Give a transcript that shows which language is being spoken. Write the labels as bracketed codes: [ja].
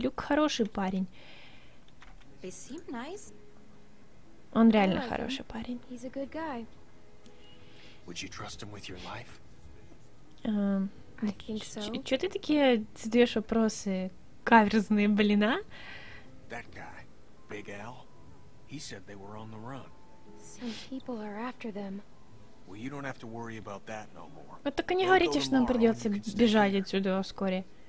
[ru] Люк хороший парень. [en] They seem nice. [ru] Он реально хороший парень. [en] He's a good guy. Would you trust him with your life? I think so. [ru] Чё ты такие задаешь вопросы каверзные, блин, а? [en] That guy, Big Al, he said they were on the run. People are after them. Well, you don't have to worry about that no more. [ru] Вот только не говорите, что нам придется бежать отсюда вскоре.